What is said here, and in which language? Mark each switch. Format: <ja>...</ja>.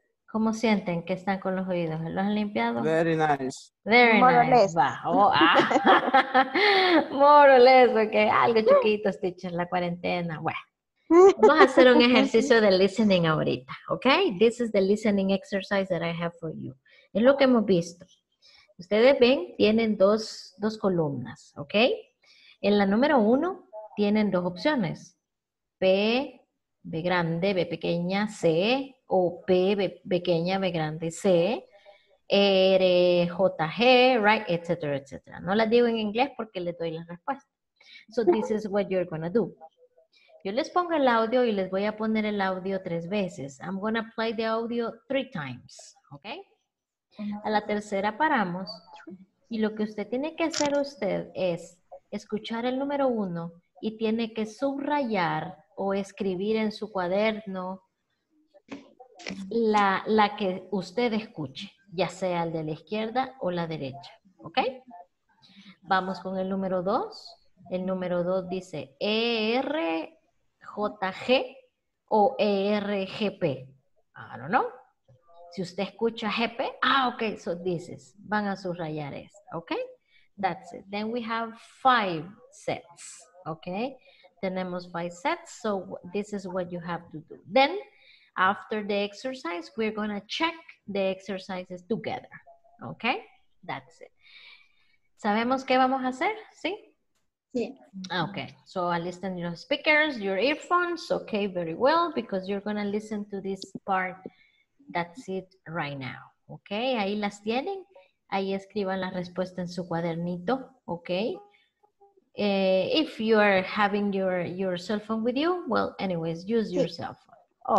<es>¿Cómo sienten que están con los oídos? ¿Los han limpiado?</es> <en>Very nice. Very more nice. Or less. Oh, ah. More or less, ok.</en> <es>Algo chiquito, teacher, la cuarentena. Bueno, vamos a hacer un ejercicio de listening ahorita, ok.</es> <en>This is the listening exercise that I have for you.</en> <es>Es lo que hemos visto. Ustedes ven, tienen dos columnas, ok. En la número uno, tienen dos opciones. B grande, B pequeña, C, o P, B pequeña, B grande, C.</es> <en>RJG, right, etc., etc.</en> <es>No la digo en inglés porque le doy la respuesta.</es> <en>So this is what you're going to do.</en> <es>Yo les pongo el audio y les voy a poner el audio tres veces.</es> <en>I'm going to play the audio three times, okay?</en> <es>A la tercera paramos. Y lo que usted tiene que hacer usted es escuchar el número uno y tiene que subrayar o escribir en su cuaderno la que usted escuche, ya sea el de la izquierda o la derecha, ¿ok? Vamos con el número dos. El número dos dice ERJG o ERGP.</es> <en>I don't know.</en> <es>Si usted escucha GP, ah, ok,</es> <en>so this is,</en> <es>van a subrayar esto, ok?</es> <en>That's it. Then we have five sets, ok?</en> <es>Tenemos</es> <en>five sets, so this is what you have to do. Then, after the exercise, we're gonna check the exercises together, ok? That's it.</en> <es>¿Sabemos qué vamos a hacer? ¿Sí? Sí.</es> <en>Ok, so I'll listen to your speakers, your earphones, ok, very well, because you're gonna listen to this part. That's it right now, ¿ok?</en> <es>Ahí las tienen. Ahí escriban la respuesta en su cuadernito, ¿ok?</es> <en>If you are having your cell phone with you, well, anyways, use your cell phone.</en>